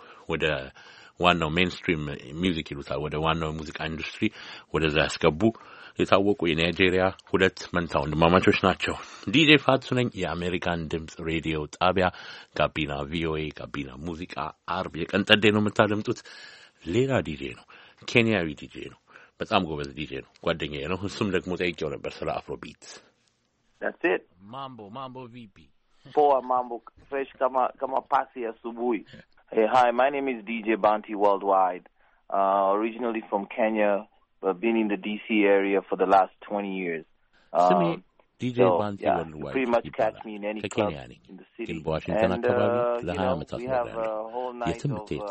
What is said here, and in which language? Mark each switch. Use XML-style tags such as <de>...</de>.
<am>ወደ ዋናው ሜንስትሪም ሚውዚክ ይሉታል፣ ወደ ዋናው ሙዚቃ ኢንዱስትሪ ወደዛ ያስገቡ የታወቁ የናይጄሪያ ሁለት መንታ ወንድማማቾች ናቸው። ዲጄ ፋቱ ነኝ። የአሜሪካን ድምፅ ሬዲዮ ጣቢያ ጋቢና ቪኦኤ፣ ጋቢና ሙዚቃ። አርብ የቀን ጠዴ ነው የምታደምጡት። ሌላ ዲጄ ነው፣ ኬንያዊ ዲጄ ነው። በጣም ጎበዝ ዲጄ ነው፣ ጓደኛዬ ነው። እሱም ደግሞ ጠይቄው ነበር ስለ አፍሮ ቢት።</am> <sw>ማምቦ ቪፒ poa mambo fresh kama pasi asubuhi.</sw> <en>Hey, hi, my name is DJ Banti Worldwide, originally from Kenya, been in the D.C. area for the last 20 years. DJ Bantu and White. Pretty much catch me in any club in the city. In Washington, we have a whole night of</en>